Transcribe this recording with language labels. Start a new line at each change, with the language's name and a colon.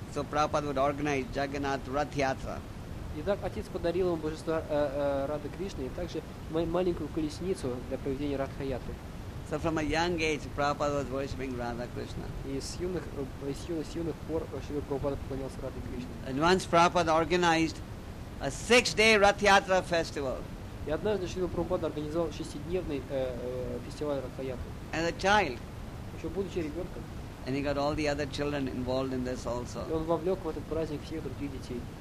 English: So Prabhupada would organize Jagannath Rath Yatra.
Russian: Итак, отец подарил ему божество Радхи Кришны и также маленькую колесницу для проведения Радха Ятры.
English: So from a young age, Prabhupada was worshipping Radha Krishna.
Russian: И с юных пор Шрила Прабхупада поклонялся Радхи Кришне.
English: And once Prabhupada organized a 6-day Rath Yatra festival.
Russian: И однажды Шрила Прабхупада организовал 6-дневный фестиваль Радха Ятры.
English: As a child.
Russian: Еще будучи ребенком.
English: And he got all the other children involved in this also.
Russian: И он вовлек в этот праздник всех других детей.